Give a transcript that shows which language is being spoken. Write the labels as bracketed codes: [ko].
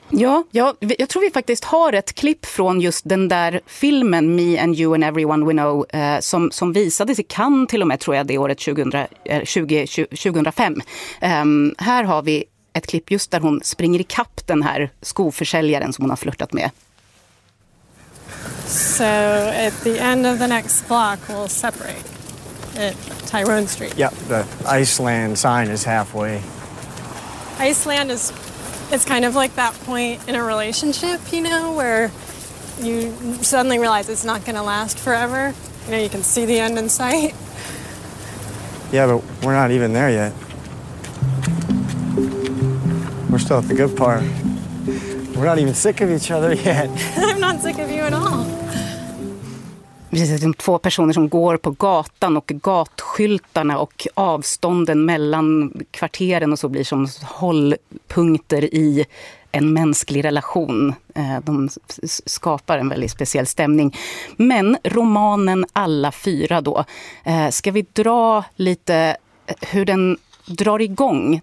[sv] Ja, jag tror vi faktiskt har ett klipp från just den där filmen Me and You and Everyone We Know som visades i Cannes till och med, tror jag, det året 2005. Här har vi ett klipp just där hon springer i kapp den här skoförsäljaren som hon har flirtat med. [en] So at the end of the next block we'll separate. At Tyrone Street. Yep, the Iceland sign is halfway. Iceland is, it's kind of like that point in a relationship, you know, where you suddenly realize it's not going to last forever. You know, you can see the end in sight. Yeah, but we're not even there yet. We're still at the good part. We're not even sick of each other yet. I'm not sick of you at all. [sv] Precis, de två personer som går på gatan och gatskyltarna och avstånden mellan kvarteren och så blir som hållpunkter i en mänsklig relation. De skapar en väldigt speciell stämning. Men romanen Alla fyra då, ska vi dra lite hur den drar igång.